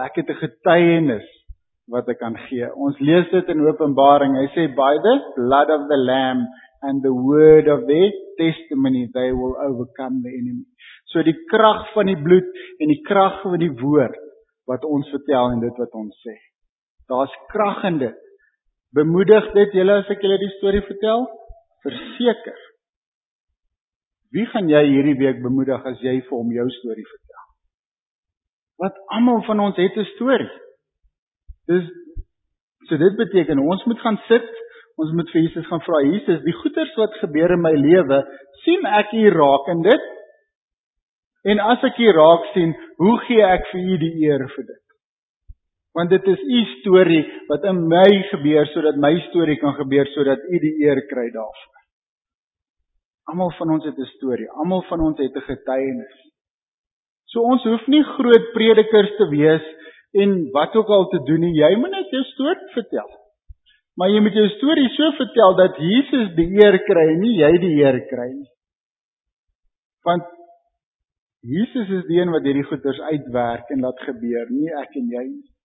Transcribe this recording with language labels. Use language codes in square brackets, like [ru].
[af] Ek het 'n getuienis wat ek kan gee. Ons lees dit in Openbaring. Hy sê, [en] by the blood of the lamb and the word of their testimony, they will overcome the enemy. [af] So die krag van die bloed en die krag van die woord wat ons vertel en dit wat ons sê. Daar's krag in dit. Bemoedig dit julle as ek julle die storie vertel? Verseker. Wie gaan jy hierdie week bemoedig as jy vir hom jou storie vertel? Wat almal van ons het 'n storie. Dus, so dit beteken, ons moet gaan sit, ons moet vir Jesus gaan vra, Jesus, die goeders wat gebeur in my lewe, sien ek hier raak in dit? En as ek hier raak sien, hoe gee ek vir u die eer vir dit? Want dit is u storie wat in my gebeur, sodat my storie kan gebeur, sodat u die eer kry daarvoor. Almal van ons het 'n storie, almal van ons het 'n getuienis. So ons hoef nie groot predikers te wees, en wat ook al te doen nie, jy moet net jou storie vertel. Maar jy moet jou storie so vertel dat Jesus die eer kry, nie jy die eer kry nie. Want Jesus is die een wat hierdie goeders uitwerk en laat gebeur, nie ek en jy.